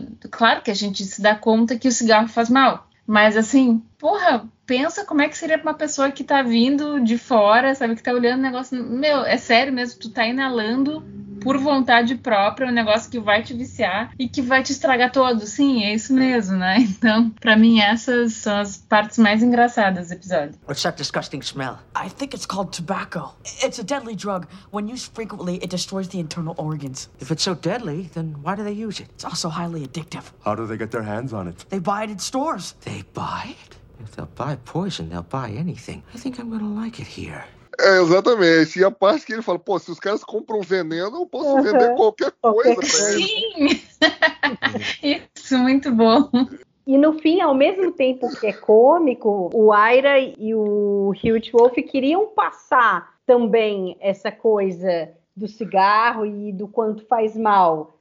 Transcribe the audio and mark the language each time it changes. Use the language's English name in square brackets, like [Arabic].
[Portuguese] Claro que a gente se dá conta que o cigarro faz mal. Mas, assim, porra, pensa como é que seria pra uma pessoa que tá vindo de fora, sabe, que tá olhando o negócio. Meu, é sério mesmo, tu tá inalando por vontade própria um negócio que vai te viciar e que vai te estragar todo. Sim, é isso mesmo, né? Então, pra mim, essas são as partes mais engraçadas do episódio. [English] What's that disgusting smell? I think it's called tobacco. It's a deadly drug. When used frequently, it destroys the internal organs. If it's so deadly, then why do they use it? It's also highly addictive. How do they get their hands on it? They buy it in stores. They buy it? If they'll buy poison, they'll buy anything. I think I'm gonna like it here. [Portuguese] É, exatamente. E a parte que ele fala, pô, se os caras compram veneno, eu posso vender qualquer coisa pra eles. Sim! Isso, muito bom. E no fim, ao mesmo tempo que é cômico, o Ira e o Huge Wolf queriam passar também essa coisa do cigarro e do quanto faz mal.